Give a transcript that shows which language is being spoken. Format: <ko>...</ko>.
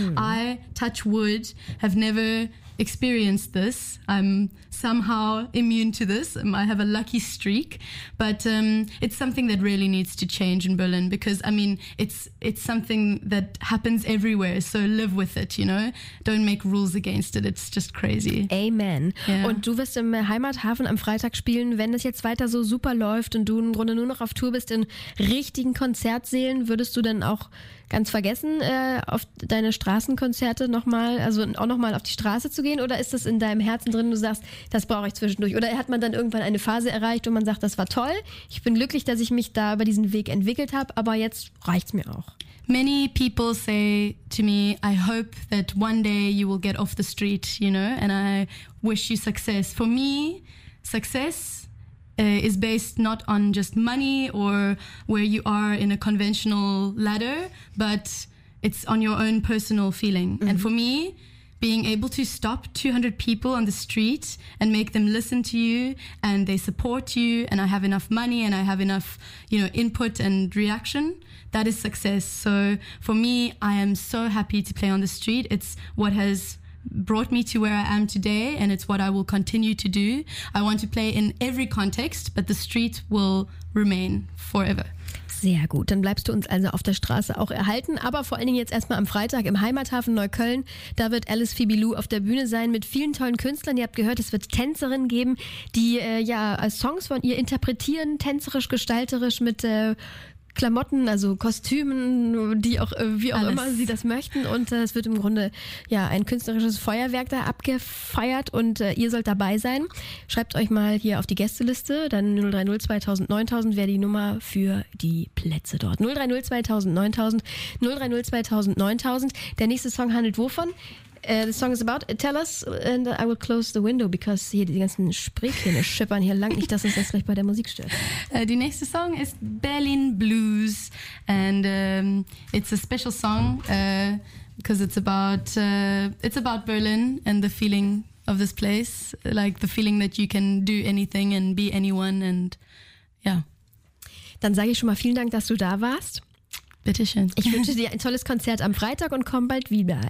<en>I, touch wood, have never experienced this. I'm somehow immune to this. I have a lucky streak, but it's something that really needs to change in Berlin, because I mean, it's something that happens everywhere, so live with it, you know, don't make rules against it. It's just crazy. Amen. Yeah.</en> <de>Und du wirst im Heimathafen am Freitag spielen, wenn es jetzt weiter so super läuft und du im Grunde nur noch auf Tour bist in richtigen Konzertsälen, würdest du dann auch ganz vergessen, auf deine Straßenkonzerte nochmal, also auch nochmal auf die Straße zu gehen, oder ist das in deinem Herzen drin, du sagst, das brauche ich zwischendurch? Oder hat man dann irgendwann eine Phase erreicht, wo man sagt, das war toll, ich bin glücklich, dass ich mich da über diesen Weg entwickelt habe, aber jetzt reicht's mir auch.</de> <en>Many people say to me, I hope that one day you will get off the street, you know, and I wish you success. For me, success is based not on just money or where you are in a conventional ladder, but it's on your own personal feeling. Mm-hmm. And for me, being able to stop 200 people on the street and make them listen to you and they support you and I have enough money and I have enough, you know, input and reaction, that is success. So for me, I am so happy to play on the street. It's what has brought me to where I am today, and it's what I will continue to do. I want to play in every context, but the street will remain forever.</en> <de>Sehr gut, dann bleibst du uns also auf der Straße auch erhalten, aber vor allen Dingen jetzt erstmal am Freitag im Heimathafen Neukölln, da wird Alice Phoebe Lou auf der Bühne sein mit vielen tollen Künstlern. Ihr habt gehört, es wird Tänzerinnen geben, die Songs von ihr interpretieren, tänzerisch, gestalterisch mit Klamotten, also Kostümen, die auch wie auch alles immer sie das möchten, und es wird im Grunde ja ein künstlerisches Feuerwerk da abgefeiert, und ihr sollt dabei sein. Schreibt euch mal hier auf die Gästeliste, dann 030 2000 9000 wäre die Nummer für die Plätze dort. 030 2000 9000, 030 2000 9000. Der nächste Song handelt wovon?</de> <en>The song is about, tell us, and I will close the window, because</en> <de>hier die ganzen Sprühkähne schippern hier lang, nicht, dass uns das recht bei der Musik stört. Die nächste Song ist</de> <en>Berlin Blues, and it's a special song, because it's about Berlin and the feeling of this place, like the feeling that you can do anything and be anyone, and yeah.</en> <de>Dann sage ich schon mal vielen Dank, dass du da warst. Bitte schön. Ich wünsche dir ein tolles Konzert am Freitag und komm bald wieder.</de>